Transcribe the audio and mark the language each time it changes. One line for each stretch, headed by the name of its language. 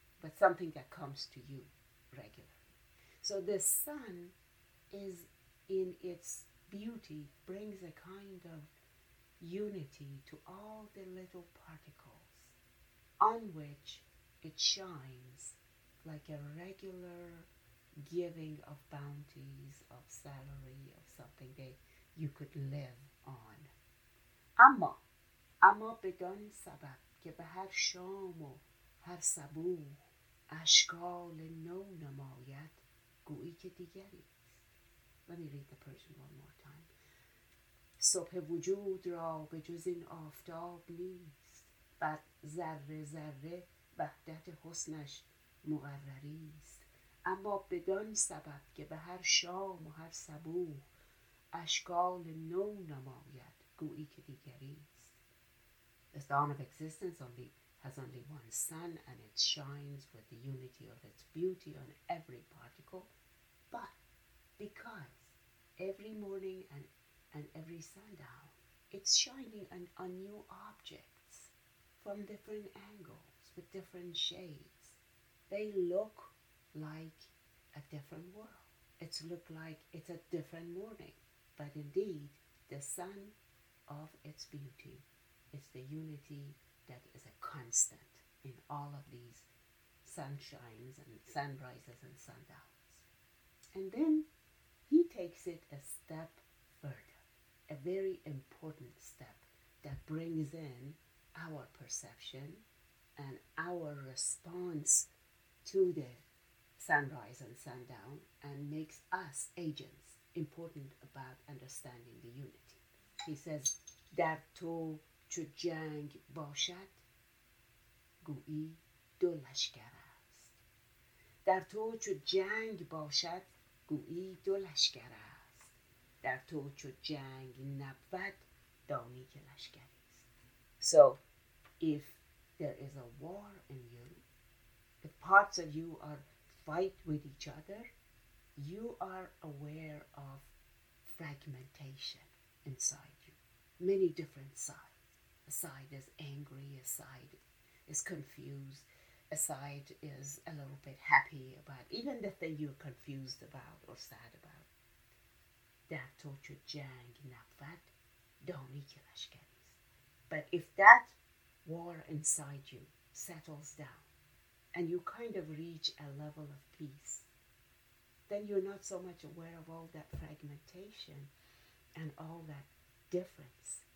English: But something that comes to you regularly. So the sun is in its beauty brings a kind of unity to all the little particles on which it shines like a regular giving of bounties, of salary, of something that you could live on.
Persian: اما بدان سبب که به هر شام و هر صبوح اشکال نو نماید گویی که دیگری.
English: Let me read the Persian one more time.
Persian: صبح وجود را به جز این آفتاب نیست. بر ذره ذره وحدت حسنش مقرری است. اما بدان سبب که به هر شام و هر صبوح اشکال نو نماید گویی که دیگری است.
English: The dawn of existence only has only one sun and it shines with the unity of its beauty on every particle. But because every morning and every sundown, it's shining on new objects from different angles, with different shades. They look like a different world. It's look like it's a different morning. But indeed, the sun of its beauty is the unity that is a constant in all of these sunshines and sunrises and sundowns. And then he takes it a step further, a very important step that brings in our perception and our response to the sunrise and sundown and makes us agents important about understanding the unity. He says,
Persian: در تو چو جنگ باشد گویی دو لشکر است. در تو چو جنگ باشد گویی دو لشکر است. در تو چو جنگ نبود دانی که لشکر است.
English: So, if there is a war in you, the parts of you are fight with each other, you are aware of fragmentation inside you. Many different sides. A side is angry, a side is confused, a side is a little bit happy about even the thing you're confused about or sad about.
Persian: در تو چو جنگ نبود دانی که لشکر است.
English: But if that war inside you settles down and you kind of reach a level of peace, then you're not so much aware of all that fragmentation and all that difference.